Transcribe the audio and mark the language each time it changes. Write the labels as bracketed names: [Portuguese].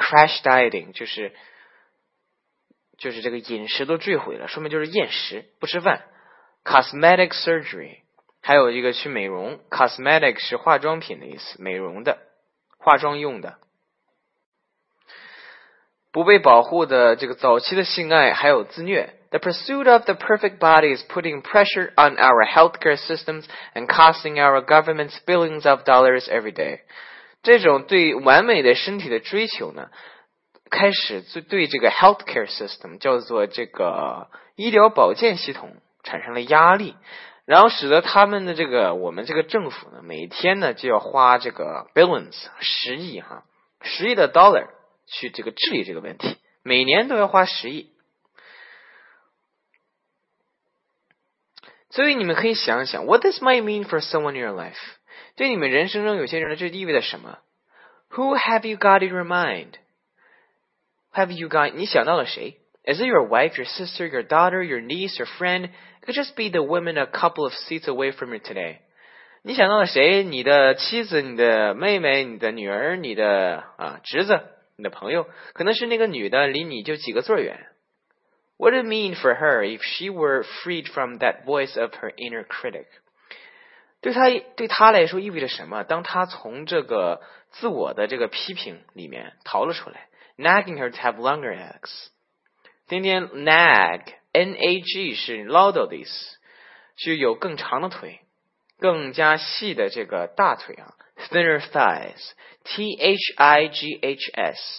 [Chinese] Crash dieting 就是这个饮食都坠毁了，说明就是厌食不吃饭。 Cosmetic surgery, 还有一个去美容 ，cosmetic 是化妆品的意思，美容的，化妆用的。不被保护的这个早期的性爱，还有自虐。 [English] The pursuit of the perfect body is putting pressure on our healthcare systems and costing our governments billions of dollars every day. [Chinese] 这种对完美的身体的追求呢，开始对这个 healthcare system 叫做这个医疗保健系统产生了压力，然后使得他们的这个我们这个政府呢，每天呢就要花这个 billions 十亿哈，十亿的 dollar 去这个治理这个问题，每年都要花十亿。所以你们可以想想 [English] What this might mean for someone in your life [Chinese] 对你们人生中有些人这意味着什么 [English] Who have you got in your mind Have you got [Chinese] 你想到了谁 [English] Is it your wife, your sister, your daughter, your niece, your friend It could just be the woman a couple of seats away from you today [Chinese] 你想到了谁你的妻子你的妹妹你的女儿你的侄子你的朋友可能是那个女的离你就几个座远 [English] What would it mean for her if she were freed from that voice of her inner critic? [Chinese] 对她来说意味着什么？当她从这个自我的这个批评里面逃了出来 ， [English] nagging her to have longer legs. [Chinese] 今天 nag, N-A-G 是唠叨的意思，是有更长的腿，更加细的这个大腿啊 ， [English] thinner thighs, T-H-I-G-H-S.